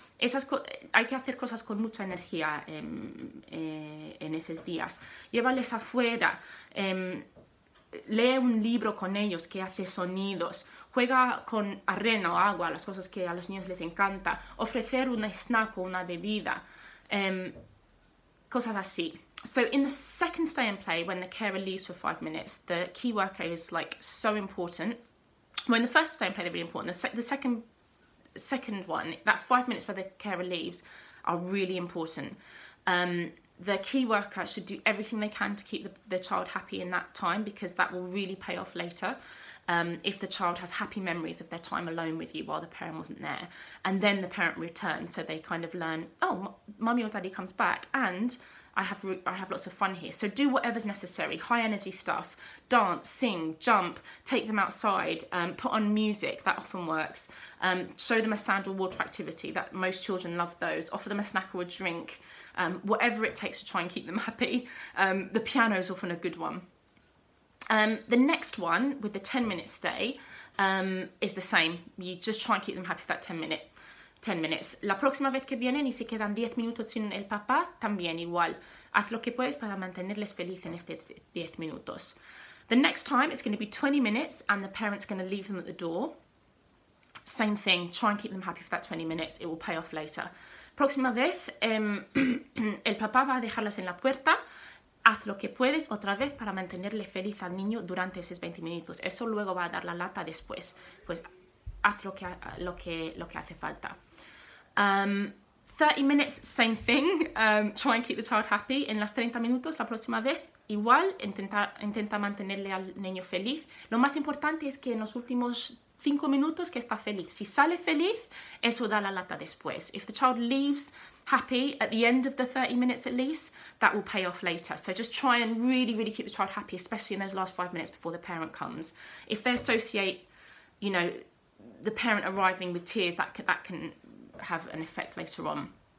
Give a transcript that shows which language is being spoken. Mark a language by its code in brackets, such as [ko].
[es] Esas hay que hacer cosas con mucha energía en esos días. Llévales afuera, lee un libro con ellos que hace sonidos. Juega con arena o agua, las cosas que a los niños les encanta. Ofrecer un snack o una bebida, cosas así. [en] So in the second stay and play, when the carer leaves for 5 minutes, the key worker is like so important. When the first stay and play, they're really important. The second one, that 5 minutes where the carer leaves, are really important. The key worker should do everything they can to keep the child happy in that time, because that will really pay off later. If the child has happy memories of their time alone with you while the parent wasn't there, and then the parent returns, so they kind of learn, oh, mummy or daddy comes back, and I have lots of fun here. So do whatever's necessary, high energy stuff, dance, sing, jump, take them outside, put on music, that often works. Show them a sand or water activity, that most children love those. Offer them a snack or a drink, whatever it takes to try and keep them happy. The piano is often a good one. The next one with the 10-minute stay is the same. You just try and keep them happy for that 10 minutes. [es] La próxima vez que vienen y se quedan 10 minutos sin el papá, también igual. Haz lo que puedes para mantenerles feliz en estos 10 minutos. [en] The next time, it's going to be 20 minutes and the parent's going to leave them at the door. Same thing, try and keep them happy for that 20 minutes. It will pay off later. [es] Próxima vez, el papá va a dejarlos en la puerta. Haz lo que puedes otra vez para mantenerle feliz al niño durante esos 20 minutos. Eso luego va a dar la lata después. Pues haz lo que hace falta. [en] 30 minutes, same thing. Try and keep the child happy. [es] En las 30 minutos, la próxima vez, igual, intenta mantenerle al niño feliz. Lo más importante es que en los últimos 5 minutos que está feliz. Si sale feliz, eso da la lata después. [en] If the child leaves happy at the end of the 30 minutes at least, that will pay off later. So just try and really, really keep the child happy, especially in those last 5 minutes before the parent comes. If they associate, you know, the parent arriving with tears, that can have an effect later on.